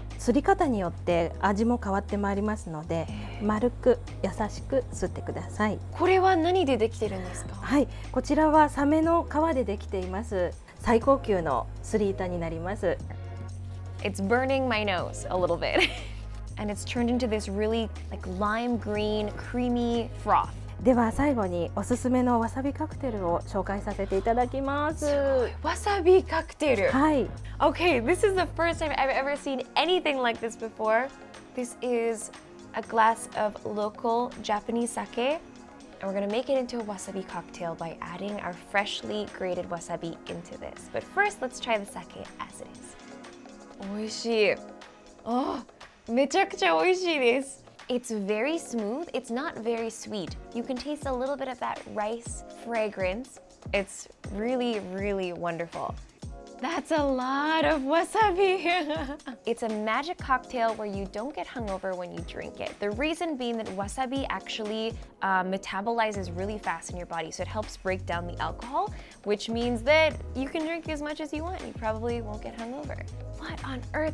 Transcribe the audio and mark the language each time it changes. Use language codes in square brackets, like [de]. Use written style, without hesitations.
[ja] 擦り方によって味も変わってまいりますので、丸く優しく擦ってください。これは何でできてるんですか？はい、こちらはサメの皮でできています。最高級の擦り板になります。 [en] It's burning my nose a little bit. And it's turned into this really like lime green creamy froth. [ja] では最後におすすめのわさびカクテルを紹介させていただきます。わさびカクテル。はい。 [en] Okay, this is the first time I've ever seen anything like this before. This is a glass of local Japanese sake. And we're gonna make it into a wasabi cocktail by adding our freshly grated wasabi into this. But first, let's try the sake as it is. [ja] 美味しい。あ、めちゃくちゃ美味しいです。 [en] It's very smooth. It's not very sweet. You can taste a little bit of that rice fragrance. It's really, really wonderful. That's a lot of wasabi. It's a magic cocktail where you don't get hungover when you drink it. The reason being that wasabi actually metabolizes really fast in your body, so it helps break down the alcohol, which means that you can drink as much as you want. You probably won't get hungover. What on earth?